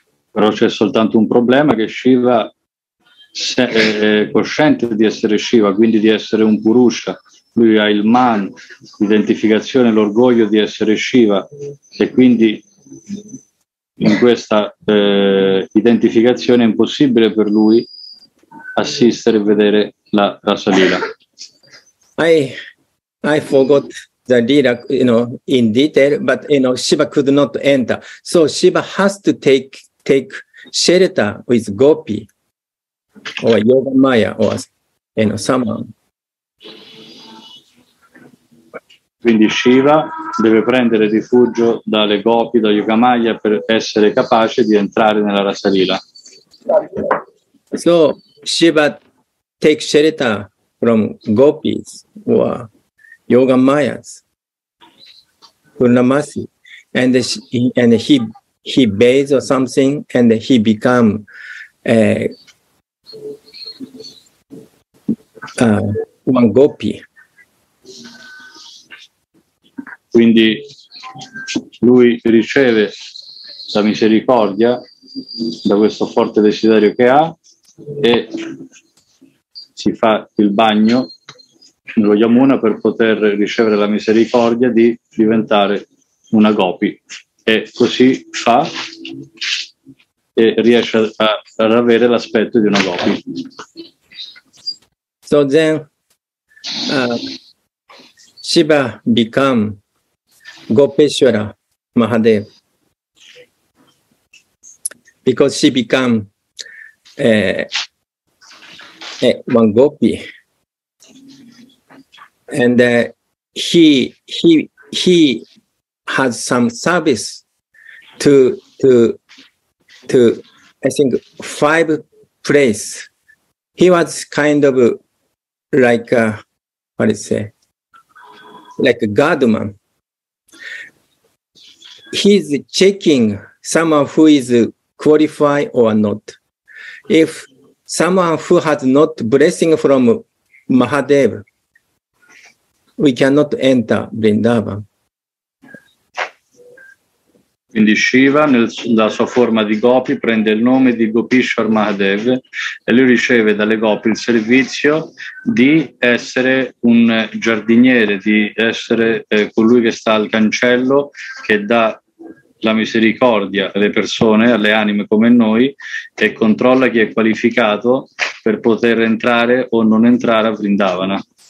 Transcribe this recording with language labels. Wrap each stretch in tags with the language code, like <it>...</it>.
<it>Però c'è soltanto un problema, che Shiva è cosciente di essere Shiva, quindi di essere un Purusha. Lui ha il man, l'identificazione, l'orgoglio di essere Shiva, e quindi in questa identificazione è impossibile per lui assistere e vedere la rasa lila.</it> <en>I forgot the lila, you know, in detail, but you know, Shiva could not enter, so Shiva has to take shelter with Gopi or Yogamaya or you know someone.</en> <it>Quindi Shiva deve prendere rifugio dalle gopi, da Yogamaya, per essere capace di entrare nella rasa lila.</it> <en>So Shiva take shelter from gopis or Yogamayas, Purnamasi, and he bathes or something, and he become one gopi.</en> <it>Quindi lui riceve la misericordia da questo forte desiderio che ha e si fa il bagno nello Yamuna per poter ricevere la misericordia di diventare una gopi. E così fa e riesce ad avere l'aspetto di una gopi.</it> <en>So then Shiva become Gopeshwara Mahadev, because she become one gopi, and he has some service to I think five place. He was kind of like a guardman. He's checking someone who is qualified or not. If someone who has not blessing from Mahadev, we cannot enter Vrindavan.</en> <it>Quindi Shiva, nella sua forma di gopi, prende il nome di Gopishwar Mahadev e lui riceve dalle gopi il servizio di essere un giardiniere, di essere colui che sta al cancello, che dà la misericordia alle persone, alle anime come noi, e controlla chi è qualificato per poter entrare o non entrare a Vrindavana.</it>